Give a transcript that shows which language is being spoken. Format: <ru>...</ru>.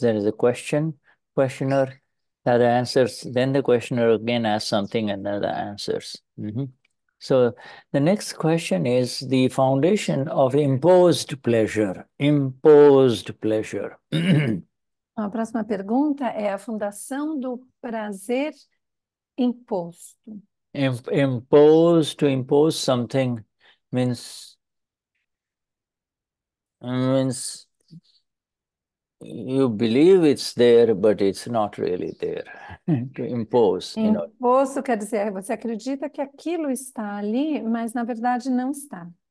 <en>There is a question, questioner, Dada answers, then the questioner again asks something and Dada answers. Mm-hmm. So the next question is the foundation of imposed pleasure. Imposed pleasure.</en> <pt>A próxima pergunta é a fundação do prazer imposto.</pt> <en>Imposed, to impose something means you believe it's there, but it's not really there. To impose, you know.</en> <pt>Imposto quer dizer, você acredita que aquilo está ali, mas na verdade não está.</pt>